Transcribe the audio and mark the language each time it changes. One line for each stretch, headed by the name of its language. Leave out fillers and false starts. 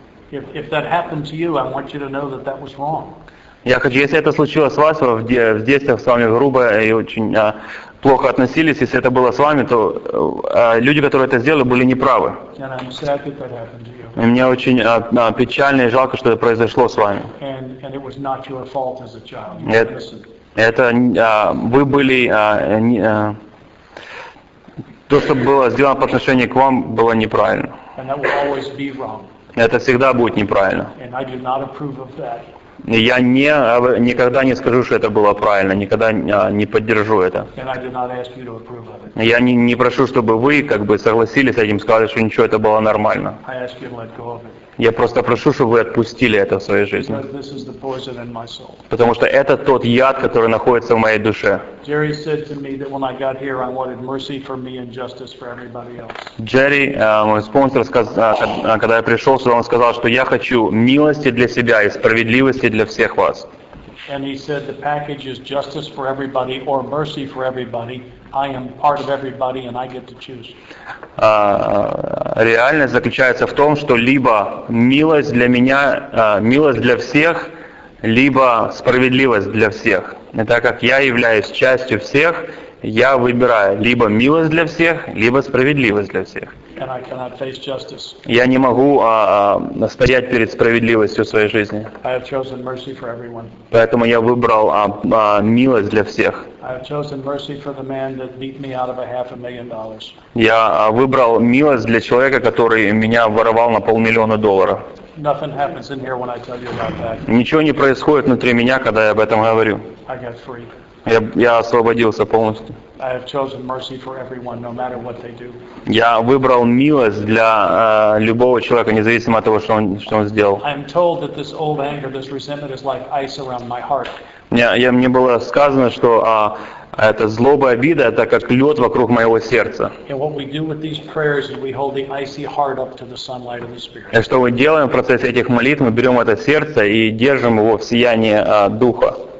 English: If that happened to you, I want you to know that that was wrong.
Russian: Я хочу, если это случилось с вас, в детстве с вами грубо и очень плохо относились, если это было с вами, то люди, которые это сделали, были неправы.
English: And I'm sad that that happened to you.
Russian: И мне очень печально и жалко, что это произошло с вами.
English: And it was not your fault as a child.
Russian: Это вы были то, что было сделано по отношению к вам, было неправильно.
English: And that will always be wrong.
Russian: Это всегда будет неправильно.
English: And I do not approve of that.
Russian: Я никогда не скажу, что это было правильно, никогда не поддержу это.
English: And I do not ask you to approve of it.
Russian: Я не прошу, чтобы вы как бы согласились с этим, сказали, что ничего, это было нормально.
English: I ask you to let go of it.
Russian: Я просто прошу, чтобы вы отпустили это в своей жизни.
English: Because this is the poison in my soul.
Russian: Потому что это тот яд, который находится в моей душе.
English: Jerry said to me that when I got here, I wanted mercy for me and justice for everybody else.
Russian: Jerry, мой спонсор, когда я пришел сюда, он сказал, что я хочу милости для себя и справедливости для всех вас.
English: And he said the package is justice for everybody or mercy for everybody. I am part of everybody, and I get to choose.
Russian: Реальность заключается в том, что либо милость для меня, милость для всех, либо справедливость для всех. И так как я являюсь частью всех, я выбираю либо милость для всех, либо справедливость для всех.
English: And I cannot face justice.
Russian: Я не могу стоять перед справедливостью в своей жизни.
English: I have chosen mercy for everyone.
Russian: Поэтому я выбрал милость для всех.
English: I have chosen mercy for the man that beat me out of $500,000.
Russian: Я выбрал милость для человека, который меня воровал на $500,000.
English: Nothing happens in here when I tell you about that.
Russian: Ничего не происходит внутри меня, когда я об этом говорю.
English: I got free.
Russian: Я освободился полностью.
English: I have chosen mercy for everyone, no matter what they do.
Russian: Я выбрал милость для любого человека, независимо от того, что он сделал.
English: I am told that this old anger, this resentment is like ice around my heart.
Russian: Мне было сказано, что Это злоба и обида, это как лед вокруг моего сердца. И что мы делаем в процессе этих молитв? Мы берем это сердце и держим его в сиянии Духа.